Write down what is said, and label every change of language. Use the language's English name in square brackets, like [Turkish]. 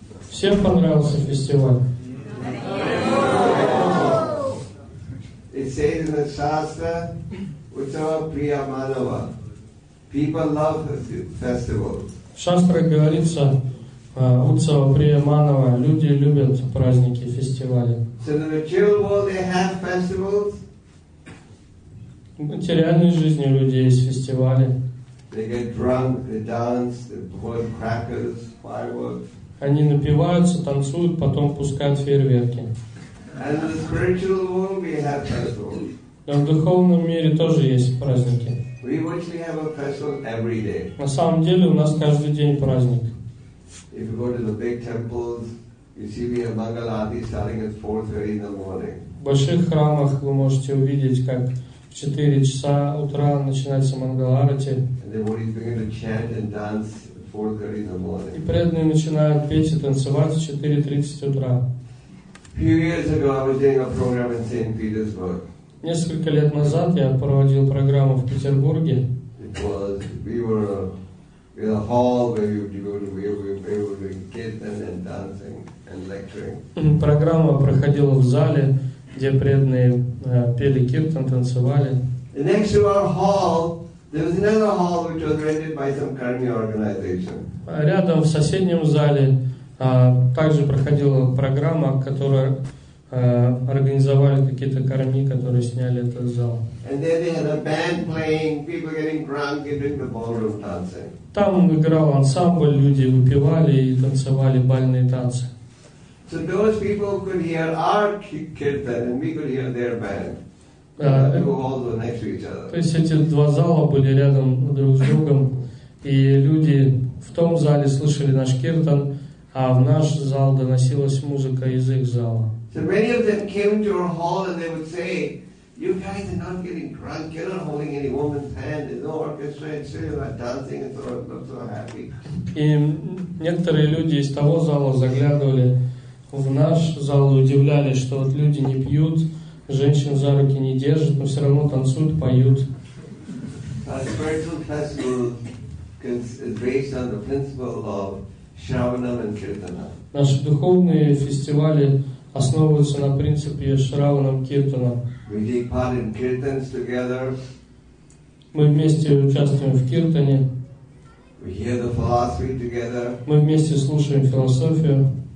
[Russian] Всем понравился фестиваль? [English] It says in the Shastra, Uttava Priya Madhava. People love the festival. [Russian] В Шастре говорится, Уцава Прия Манава, люди любят праздники, фестивали. [English] So in the material world they have festivals. [Russian] В материальной жизни люди есть фестивали. [English] They get drunk, they dance, they blow crackers, fireworks. [Russian] Они напиваются, танцуют, потом пускают фейерверки. [English] And in the spiritual world we have festivals. [Russian] Но в духовном мире тоже есть праздники. [English] We virtually have a festival every day. [Russian] На самом деле у нас каждый день праздник. [English] If you go to the big temples, you see we have Mangal Aarti starting at 4:30 in the morning. [Russian] В больших храмах вы можете увидеть, как в 4 часа утра начинается Мангал Аарти. [English] And the devotees begin to chant and dance at 4:30 in the morning. [Russian] И преданные начинают петь и танцевать в 4:30 утра. [English] Few years ago, I was doing a program in St. Petersburg. [Russian] Несколько лет назад я проводил программу в Петербурге. [English] It was we were a hall where we were kirtan and dancing and lecturing. [Russian] Программа проходила в зале, где преданные пели киртан, танцевали. [English] And next to our hall, there was another hall which was rented by some karmic organization. [Russian] Рядом в соседнем зале. Также проходила программа, которую организовали какие-то карми, которые сняли этот зал. [English] And there they had a band playing, people getting drunk and doing the ballroom dancing. [Russian] Там играл ансамбль, люди выпивали и танцевали бальные танцы. [English] So those people could hear our kirtan and we could hear their band. [Russian] То есть эти два зала были рядом друг с другом, и люди в том зале слышали наш киртан, а в наш зал доносилась музыка из их зала. [English] So many of them came to our hall and they would say, you guys are not getting drunk, you're not holding any woman's hand, there's no orchestra, and so you're not dancing, and so I'm so happy. [Russian] И некоторые люди из того зала заглядывали в наш зал и удивлялись, что вот люди не пьют, женщин за руки не держат, но все равно танцуют, поют. [English] A spiritual festival is based on the principle of Shravanam and Kirtanam. [Russian] Наши духовные фестивали основываются на принципе Шраванам Киртанам. [English] We take part in Kirtans together. [Russian] Мы вместе участвуем в Киртане. [English] We hear the philosophy together. [Russian] Мы вместе слушаем философию.